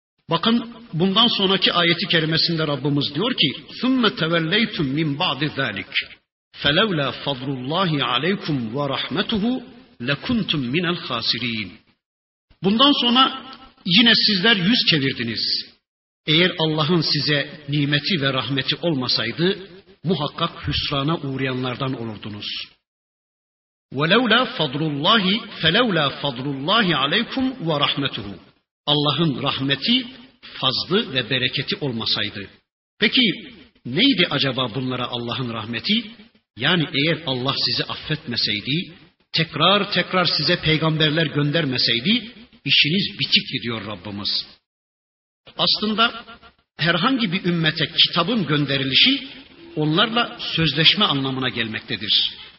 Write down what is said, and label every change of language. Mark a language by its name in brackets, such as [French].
[Turkish] Bakın bundan sonraki ayeti kerimesinde Rabbimiz diyor ki: [Arabic] ثُمَّ تَوَلَّيْتُمْ مِنْ بَعْدِ ذَٰلِكَ فَلَوْلَا فَضْلُ اللّٰهِ عَلَيْكُمْ وَرَحْمَتُهُ لَكُنْتُمْ مِنَ الْخَاسِر۪ينَ [Turkish] Bundan sonra yine sizler yüz çevirdiniz. Eğer Allah'ın size nimeti ve rahmeti olmasaydı, muhakkak hüsrana uğrayanlardan olurdunuz. [Arabic] وَلَوْلَا فَضْلُ اللّٰهِ فَلَوْلَا فَضْلُ اللّٰهِ عَلَيْكُمْ وَرَحْمَتُهُ [Turkish] Allah'ın rahmeti, fazlı ve bereketi olmasaydı. Peki neydi acaba bunlara Allah'ın rahmeti? Yani eğer Allah sizi affetmeseydi, tekrar tekrar size peygamberler göndermeseydi, işiniz bitikti diyor Rabbimiz. Aslında herhangi bir ümmete kitabın gönderilişi, onlarla sözleşme anlamına gelmektedir.